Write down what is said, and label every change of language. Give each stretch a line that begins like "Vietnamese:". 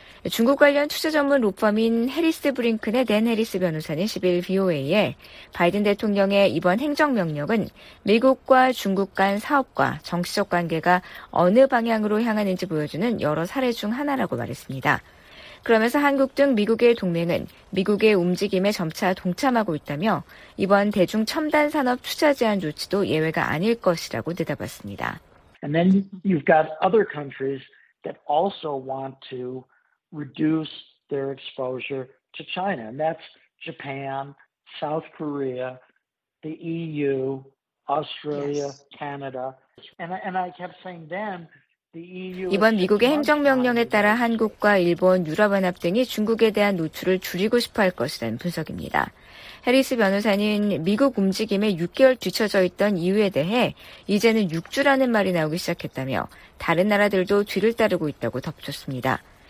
Korean: 중국 관련 투자 전문 로펌인 해리스 브링큰의 댄 해리스 변호사는 10일 VOA에 바이든 대통령의 이번 행정명령은 미국과 중국 간 사업과 정치적 관계가 어느 방향으로 향하는지 보여주는 여러 사례 중 하나라고 말했습니다. 그러면서 한국 등 미국의 동맹은 미국의 움직임에 점차 동참하고 있다며 이번 대중 첨단 산업 투자 제한 조치도 예외가 아닐 것이라고 내다봤습니다.
English: And then you've got other countries that also want to reduce their exposure to China, and that's Japan, South Korea, the EU, Australia, yes. Canada. And I kept saying then the EU.
Korean: 이번 미국의 행정명령에 따라 한국과 일본, 유럽연합 등이 중국에 대한 노출을 줄이고 싶어할 것이라는 분석입니다. 해리스 변호사는 미국 움직임에 6개월 뒤쳐져 있던 이유에 대해 이제는 6주라는 말이 나오기 시작했다며 다른 나라들도 뒤를 따르고 있다고 덧붙였습니다.